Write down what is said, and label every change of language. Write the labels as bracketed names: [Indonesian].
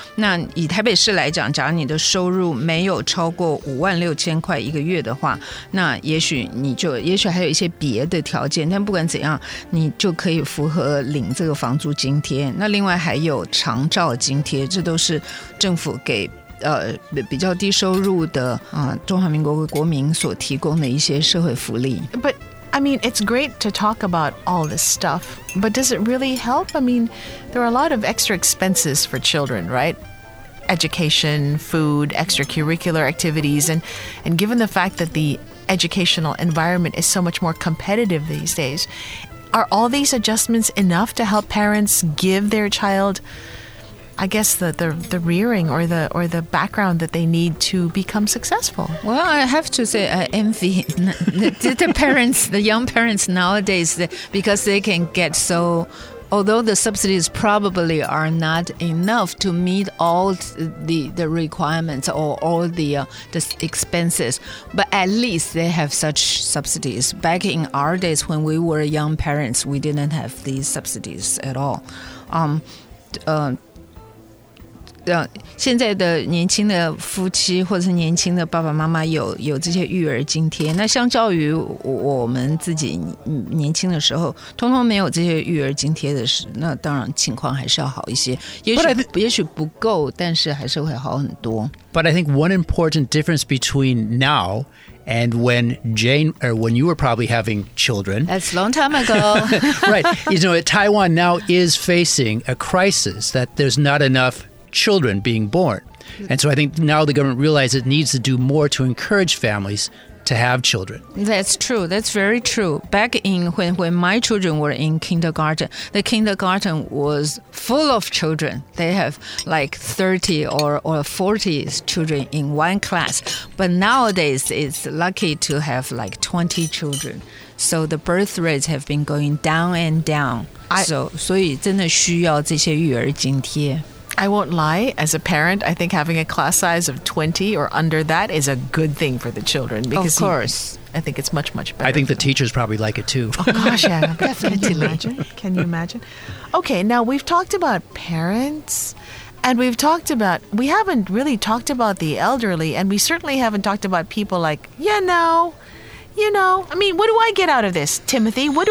[Chinese] 那以台北市来讲，假如你的收入没有超过56000块一个月的话，那也许还有一些别的条件，但不管怎样，你就可以符合领这个房租津贴。那另外还有长照津贴，这都是政府给比较低收入的中华民国国民所提供的一些社会福利。 [English] But I mean, it's great to talk about all this stuff, but does it really help? I mean, there are a lot of extra expenses for children, right? Education, food, extracurricular activities, and given the fact that the educational environment is so much more competitive these days, are all these adjustments enough to help parents give their child? I guess the rearing or the background that they need to become successful. Well, I have to say I envy the parents, the young parents nowadays, because they can get so, although the subsidies probably are not enough to meet all the requirements or all the expenses, but at least they have such subsidies. Back in our days when we were young parents, we didn't have these subsidies at all. [Chinese] 现在的年轻的夫妻或者是年轻的爸爸妈妈 有这些育儿津贴，那相较于我们自己年轻的时候通通没有这些育儿津贴的时候，那当然情况还是要好一些，也许不够，但是还是会好很多。 [English] But I think one important difference between nowAnd when Jane, or when you were probably having children. That's a long time ago. Right. You know, Taiwan now is facing a crisis that there's not enough children being born. And so I think now the government realizes it needs to do more to encourage families to have children. That's true. That's very true. Back in when my children were in kindergarten, the kindergarten was full of children. They have like 30 or 40 children in one class. But nowadays, it's lucky to have like 20 children. So the birth rates have been going down and down. [Chinese] So 真的需要这些育儿津贴。 [English] I won't lie, as a parent, I think having a class size of 20 or under that is a good thing for the children. Because of course. I think it's much, much better. I think the teachers probably like it too. Oh gosh, yeah. Definitely. Can you imagine? Okay, now we've talked about parents, and we haven't really talked about the elderly, and we certainly haven't talked about people like, what do I get out of this, Timothy?